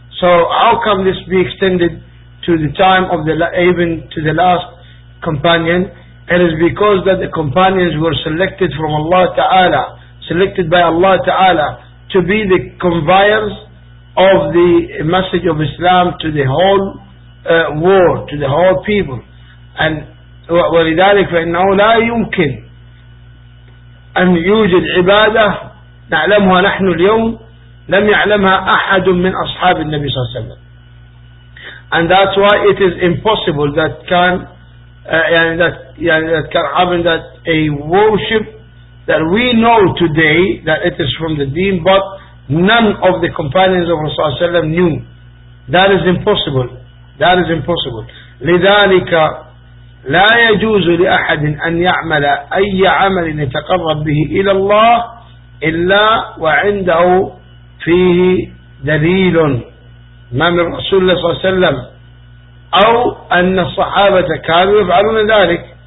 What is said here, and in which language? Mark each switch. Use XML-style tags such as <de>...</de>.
<en>So how can this be extended to the time of the even to the last companion? It is because that the companions were selected from Allah Ta'ala, selected by Allah Ta'ala to be the conveyors of the message of Islam to the whole world, to the whole people. And</en> <ar>ولذلك فإنه لا يمكن أن يوجد عبادة نعلمها نحن اليوم لم يعلمها أحد من أصحاب النبي صلى الله عليه وسلم.</ar> <en>And that's why it is impossible that can that can happen that a worship that we know today that it is from the deen, but none of the companions of Rasulullah</en> <ar>صلى الله عليه وسلم</ar> <en>knew. That is impossible. That is impossible.</en> <ar>لذلك لا يجوز لأحد أن يعمل أي عمل يتقرب به إلى الله إلا وعنده فيه دليل ما من رسول الله صلى الله عليه وسلم أو أن الصحابة كانوا يفعلون ذلك.</ar>